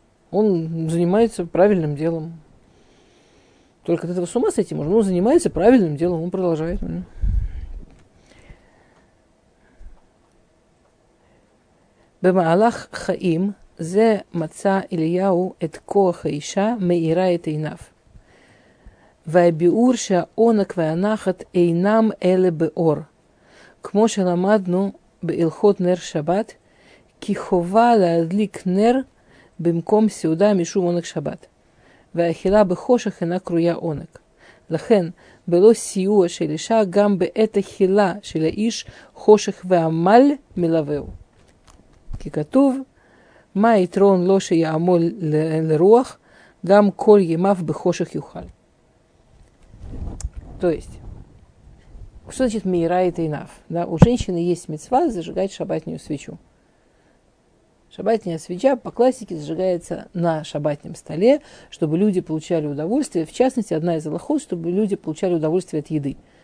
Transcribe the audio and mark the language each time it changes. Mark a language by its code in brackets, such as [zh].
[ru] Он занимается правильным делом. Только от этого с ума сойти можно. Он занимается правильным делом, он продолжает. [he] Бемаалах хаим зе маца Ильяу эт коа хаиша меира эт эйнав. והביאור שהעונק והנחת אינם אלה באור, כמו שלמדנו בהלכות נר שבת, כי חובה להדליק נר במקום סעודה משום עונק שבת, והאכילה בחושך אינה קרויה עונק. לכן, בלא סיוע של אישה, גם בעת אכילה של האיש חושך ועמל מלווהו. כי כתוב, מה היתרון לו שיעמול לרוח, גם כל ימיו בחושך יוכל. [ru] То есть, что значит [he] «мейрайт эйнав»? [ru] Да, у женщины есть мицва зажигать шабатнюю свечу. Шабатняя свеча по классике зажигается на шабатнем столе, чтобы люди получали удовольствие. В частности, одна из алахот, чтобы люди получали удовольствие от еды.